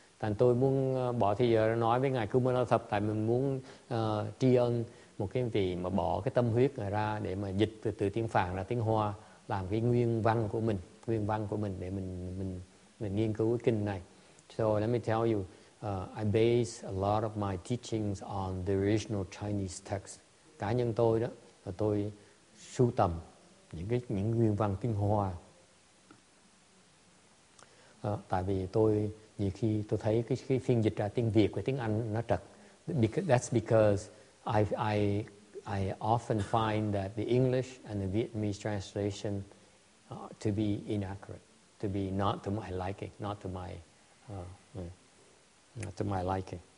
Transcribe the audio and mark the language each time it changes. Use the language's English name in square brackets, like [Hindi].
[Vietnamese] Thành tôi muốn bỏ thời giờ để nói với ngài Kumara Thập tại mình muốn tri ân một cái vị mà bỏ cái tâm huyết này ra để mà dịch từ tiếng Phạn ra tiếng Hoa làm cái nguyên văn của mình để mình nghiên cứu cái kinh này. [English] So let me tell you, I base a lot of my teachings on the original Chinese text. [Vietnamese] Cá nhân tôi đó là tôi sưu tầm những nguyên văn tiếng Hoa. Tại vì tôi nhiều khi tôi thấy cái phiên dịch ra tiếng Việt và tiếng Anh nó trật. [English] That's because I often find that the English and the Vietnamese translation to be inaccurate, to be not to my liking, not to my liking.